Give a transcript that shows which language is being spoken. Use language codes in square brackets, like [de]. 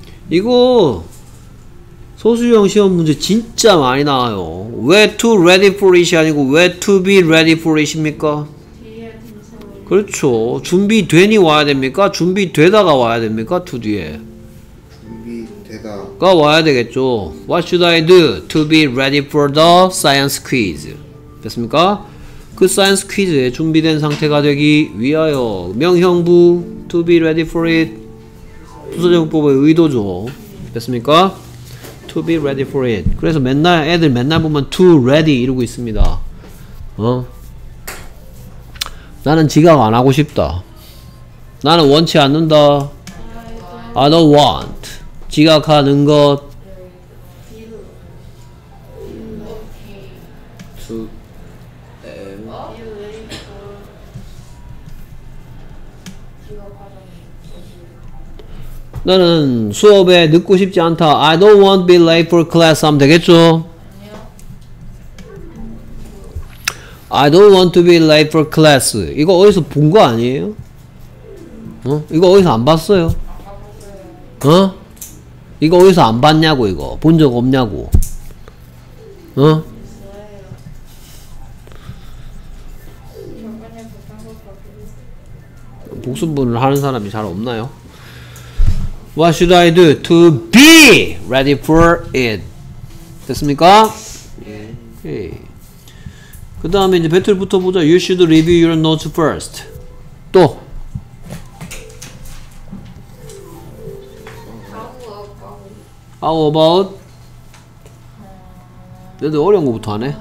[ko] 이거 소수형 시험 문제 진짜 많이 나와요. 왜 [en] to ready for it [ko] 이 아니고 왜 [en] to be ready for it [ko] 입니까? 그렇죠. 준비되니 와야 됩니까? 준비되다가 와야 됩니까? 두 뒤에 가 와야 되겠죠. [en] What should I do to be ready for the science quiz? [ko] 됐습니까? 그 science quiz에 준비된 상태가 되기 위하여 명형부 to be ready for it 부서정법의 의도죠. 됐습니까? [en] To be ready for it. [ko] 그래서 맨날 애들 맨날 보면 to ready 이러고 있습니다. 어? 나는 지각 안 하고 싶다. 나는 원치 않는다. [en] I don't want. [ko] 지각하는 것 나는 수업에 늦고 싶지 않다. [en] I don't want to be late for class [ko] 하면 되겠죠? [en] I don't want to be late for class. [ko] 이거 어디서 본 거 아니에요? 어? 이거 어디서 안 봤어요? 어? 이거 어디서 안 봤냐고, 이거. 본 적 없냐고. 어? 복습문을 하는 사람이 잘 없나요? [en] What should I do to be ready for it? [ko] 됐습니까? 예. 그 다음에 이제 배틀부터 보자. [en] You should review your notes first. 또. [ko] 얘들 어려운 거부터 하네.